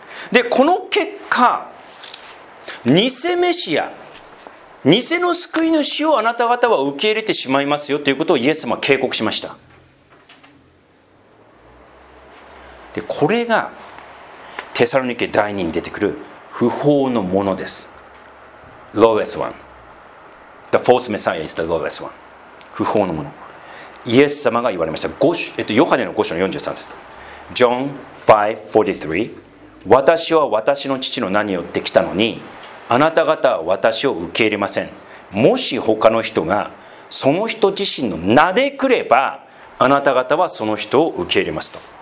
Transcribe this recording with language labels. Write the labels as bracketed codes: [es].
[ja] でこの結果、偽メシア、偽の救い主をあなた方は受け入れてしまいますよということをイエス様は警告しました。でこれがテサロニケ第2に出てくる不法のものです。 [en] Lawless one、 The false messiah is the lawless one、 [ja] 不法のもの。イエス様が言われました、ヨハネの5章の43節、 John 5:43、 私は私の父の名によって来たのに、あなた方は私を受け入れません。もし他の人がその人自身の名で来れば、あなた方はその人を受け入れますと。